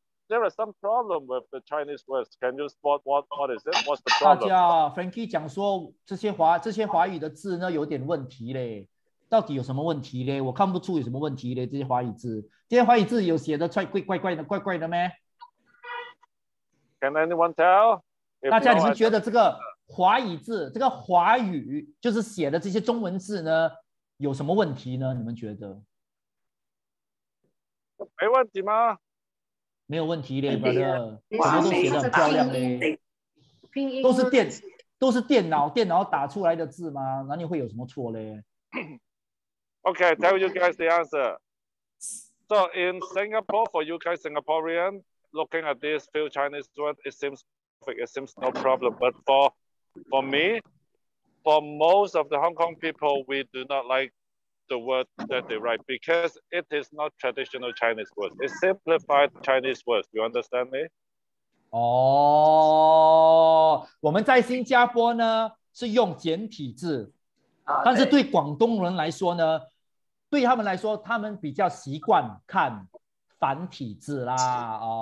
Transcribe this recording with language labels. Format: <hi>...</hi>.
<en>There is some problem with the Chinese words. Can you spot what is it? What's the problem?</en> <zh>大家 Frankie 讲说这些华语的字呢有点问题嘞，到底有什么问题嘞？我看不出有什么问题嘞。这些华语字有写的怪怪的咩？</zh> <en>Can anyone tell?</en> <zh>大家你们觉得这个华语字，这个华语就是写的这些中文字呢，有什么问题呢？你们觉得？没问题吗？没有问题的，反正都写得很漂亮嘞，都是电脑打出来的字吗？哪里会有什么错嘞</zh> <en>？Okay, tell you guys the answer. So in Singapore, for you guys Singaporean looking at this few Chinese word, it seems perfect. It seems no problem. But for me, for most of the Hong Kong people, we do not like. The word that they write because it is not traditional Chinese words. It's simplified Chinese words. You understand me?</en> <zh>Oh, 我们在新加坡呢是用简体字，但是对广东人来说呢，对他们来说，他们比较习惯看繁体字啦。</zh>